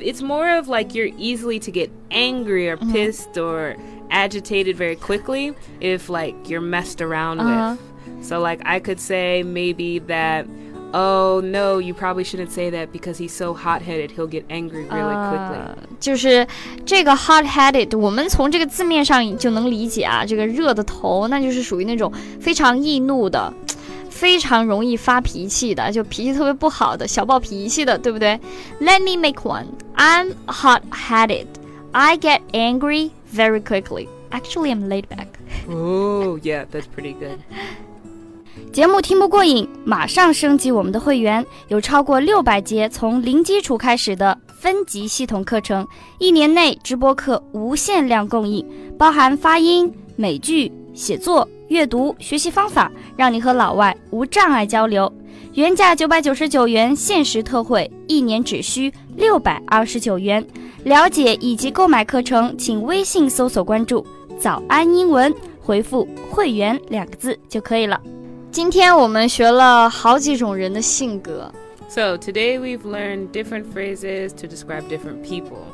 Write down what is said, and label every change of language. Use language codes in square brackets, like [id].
[en] It's more of like you're easily to get angry or pissed or agitated very quickly if like you're messed around with. So like I could say maybe that Oh, no, you probably shouldn't say that because he's so hot-headed, he'll get angry really quickly. [zh] 就是这个 hot-headed, 我们从这个字面上就能理解啊，这个热的头，那就是属于那种非常易怒的，非常容易发脾气的，就脾气特别不好的，小暴脾气的，对不对？ [en] Let me make one. I'm hot-headed. I get angry very quickly. Actually, I'm laid back. Oh, yeah, that's pretty good. [zh] 节目听不过瘾，马上升级我们的会员，有超过600节从零基础开始的分级系统课程，一年内直播课无限量供应，包含发音、美剧、写作、阅读、学习方法，让你和老外无障碍交流。原价999元，限时特惠，一年只需629元。了解以及购买课程，请微信搜索关注“早安英文”，回复“会员”两个字就可以了。今天我们学了好几种人的性格。 [en] So today we've learned different phrases to describe different people.